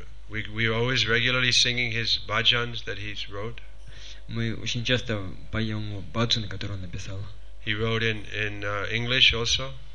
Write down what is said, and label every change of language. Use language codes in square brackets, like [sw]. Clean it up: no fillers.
[en] We are always regularly singing his bhajans that he's wrote. [ru] Мы очень часто поем баджаны, которые он написал. [en] He wrote in English also.